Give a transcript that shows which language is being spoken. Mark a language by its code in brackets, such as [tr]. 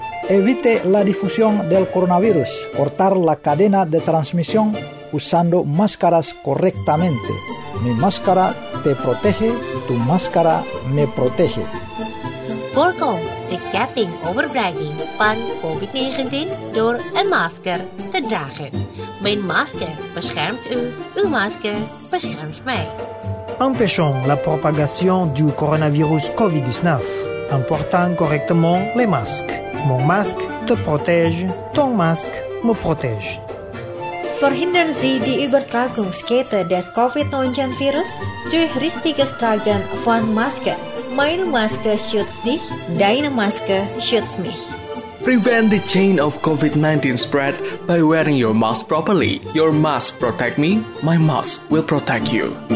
[es] Evite la difusión del coronavirus, cortar la cadena de transmisión usando máscaras correctamente. Mi máscara te protege, tu máscara me protege. [nl] Voorkom de ketting overbrenging van COVID-19 door een masker te dragen. Mijn masker beschermt u, uw masker beschermt mij. [fr] Empêchons la propagation du coronavirus COVID-19 en portant correctement les masques. Mon masque te protège, ton masque me protège. [de] Verhindern Sie die Übertragungskette des COVID-19-Virus durch richtiges Tragen von Masken. Meine Maske schützt dich, deine Maske schützt mich. [en] Prevent the chain of COVID-19 spread by wearing your mask properly. Your mask protect me, my mask will protect you.